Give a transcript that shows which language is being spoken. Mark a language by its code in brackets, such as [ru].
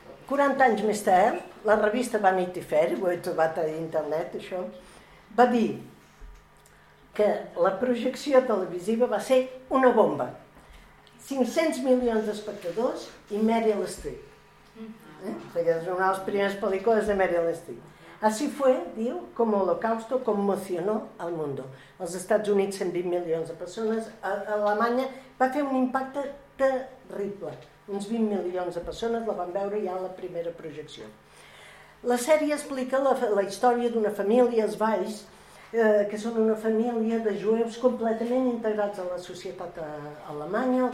[ca] 40 anys més tard, la revista Vanity Fair, ho he trobat a internet, això, va dir que la projecció televisiva va ser una bomba. 500 milions d'espectadors i Meryl Streep. Aquestes són les primeres pel·lícules de Meryl Streep. [es] Así fue, [ca] diu, [es] como Holocausto conmocionó al mundo. [ca] Als Estats Units, 120 milions de persones. A Alemanya va fer un impacte terrible. Uns 20 milions de persones la van veure ja en la primera projecció. La sèrie explica la història d'una família, els Weiss, que són una família de jueus completament integrats a la societat alemanya.